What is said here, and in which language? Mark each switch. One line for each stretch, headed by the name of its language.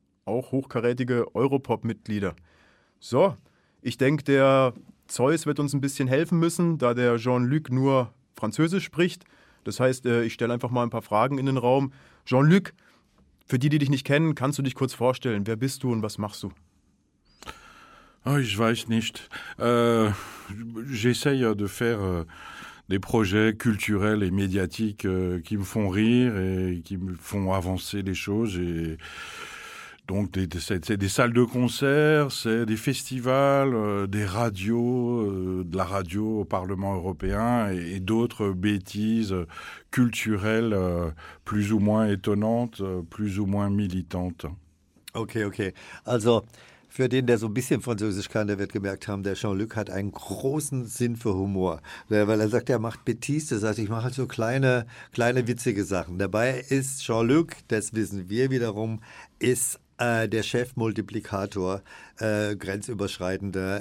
German: Auch hochkarätige Europop-Mitglieder. So, ich denke, der Zeus wird uns ein bisschen helfen müssen, da der Jean-Luc nur Französisch spricht. Das heißt, ich stelle einfach mal ein paar Fragen in den Raum. Jean-Luc, für die, die dich nicht kennen, kannst du dich kurz vorstellen. Wer bist du und was machst du? Oh, ich weiß nicht.
French: J'essaye de faire des projets culturels et médiatiques qui me font rire et qui me font avancer les choses et... Donc, c'est des salles de concert, c'est des festivals, des radios, de la radio au Parlement européen et d'autres bêtises culturelles plus ou moins étonnantes, plus ou moins militantes. Ok.
German: Also, für den, der so ein bisschen Französisch kann, der wird gemerkt haben, der Jean-Luc hat einen großen Sinn für Humor. Weil er sagt, er macht Bêtises, das heißt, ich mache halt so kleine witzige Sachen. Dabei ist Jean-Luc, das wissen wir wiederum, ist der Chefmultiplikator, grenzüberschreitender.